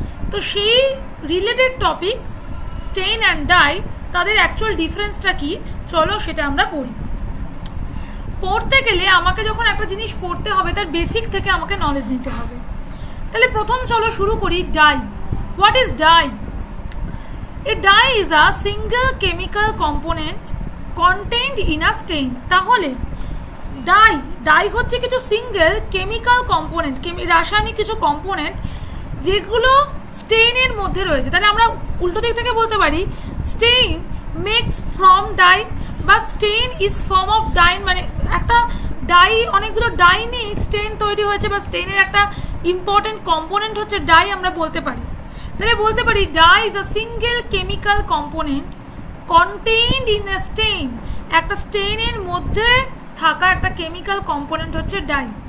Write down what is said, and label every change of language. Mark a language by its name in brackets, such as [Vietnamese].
[Bangla] তো সেই related topic Steyn and dye, তাদের অ্যাকচুয়াল ডিফারেন্সটা কি, চলো সেটা আমরা পড়ি। পড়তে গেলে আমাকে যখন একটা জিনিস পড়তে হবে তার বেসিক থেকে আমাকে নলেজ নিতে হবে। তাহলে প্রথম চলো শুরু করি die. [English] What is dye? A dye is a single chemical component contained in a stain. [Bangla] তাহলে dye হচ্ছে কিছু single chemical component, রাসায়নিক কিছু component যেগুলো stain এর মধ্যে রয়েছে। তাহলে আমরা উল্টো দিক থেকে বলতে পারি, [English] stain makes from dye, but stain is form of dye। [Bangla] মানে একটা dye, অনেকগুলো dye নিয়ে stain তৈরি হয়েছে, বা stain এর একটা important component হচ্ছে dye আমরা বলতে পারি। [English] তাহলে বলতে পারি dye is a single chemical component contained in a stain. [Bangla] একটা স্টেইন এর মধ্যে থাকা একটা কেমিক্যাল কম্পোনেন্ট হচ্ছে ডাই।